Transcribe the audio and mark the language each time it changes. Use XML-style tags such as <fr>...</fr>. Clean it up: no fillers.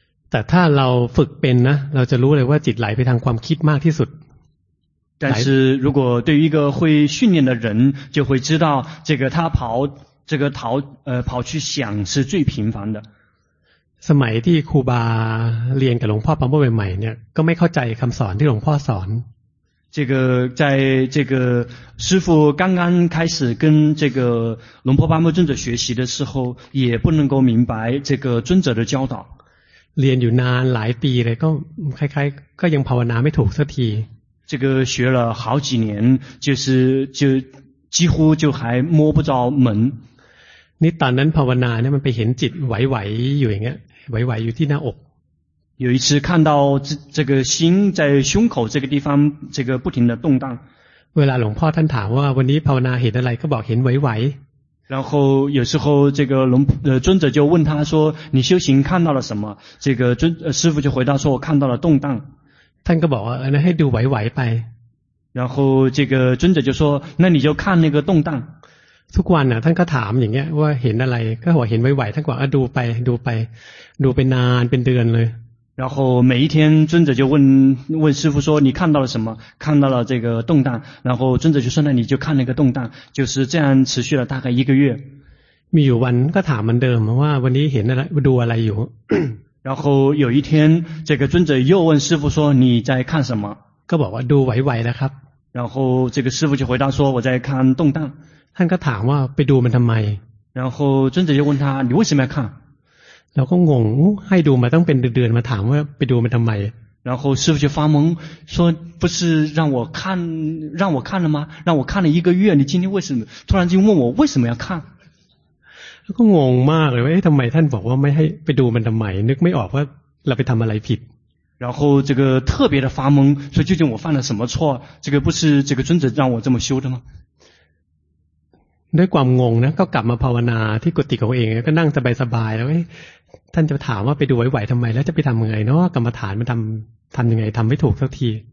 <th>แต่ถ้าเราฝึกเป็นนะเราจะรู้เลยว่าจิตไหลไปทางความคิดมากที่สุด</th> <zh>但是如果对于一个会训练的人就会知道这个他跑这个逃跑去想是最频繁的</zh> <th>สมัยที่ครูบาเรียนกับหลวงพ่อปั๊มใหม่ๆเนี่ยก็ไม่เข้าใจคำสอนที่หลวงพ่อสอน</th> <zh>这个在这个师父刚刚开始跟这个龙婆巴木尊者学习的时候也不能够明白这个尊者的教导</zh> <th>เรียนอยู่นานหลายปีเลยก็คล้ายๆก็ยังภาวนาไม่ถูกสักที</th> <zh>这个学了好几年就是就几乎就还摸不着门</zh> <th>นี่ตอนนั้นภาวนาเนี่ยมันไปเห็นจิตไหวๆอยู่อย่างเงี้ยไหวๆอยู่ที่หน้าอก</th> <zh>有一次看到这个心在胸口这个地方这个不停的动荡</zh> <th>เวลาหลวงพ่อท่านถามว่าวันนี้ภาวนาเห็นอะไรก็บอกเห็นไหวไหว</th> <zh>然后有时候这个龙尊者就问他说你修行看到了什么这个尊师父就回答说我看到了动荡</zh> <th>ท่านก็บอกว่านั่นให้ดูไหวไหวไป</th> <zh>然后这个尊者就说那你就看那个动荡</zh> <th>ทุกวันน่ะท่านก็ถามอย่างเงี้ยว่าเห็นอะไรก็บอกเห็นไหวไหวท่านก็บอกดูไปดูไปดูไปนานเป็นเดือนเลย</th> <zh>然后每一天尊者就问师父说你看到了什么看到了这个动荡然后尊者就说那你就看那个动荡就是这样持续了大概一个月没有完他</zh> <th>ถามเหมือนเดิมว่าวันนี้เห็นอะไรดูอะไรอยู่</th> <zh>然后有一天这个尊者又问师父说你在看什么</zh> <th>ก็บอกว่าดูไหวๆแล้วครับ</th> <zh>然后这个师父就回答说我在看动荡</zh> <th>ท่านก็ถามว่าไปดูมันทำไม</th> <zh>然后尊者就问他你为什么要看</zh> <th>เราก็งงให้ดูมาตั้งเป็นเดือนๆมาถามว่าไปดูมันทำไม</th> <zh>然后师父就发懵说不是让我看了吗让我看了一个月你今天为什么突然间问我为什么要看</zh> <th>แล้วก็งงมากเลยว่าทำไมท่านบอกว่าไม่ให้ไปดูมันทำไมนึกไม่ออกว่าเราไปทำอะไรผิด</th> <zh>然后这个特别的发懵说究竟我犯了什么错这个不是这个尊者让我这么修的吗</zh> <th>ด้วยความงงนะก็กลับมาภาวนาที่กุฏิของเองก็นั่งสบายๆแล้วท่านจะถามว่าไปดูไหวๆทำไมแล้วจะไปทำยังไงเนาะกรรมฐานมันทำยังไงทำไม่ถูกสักที</th>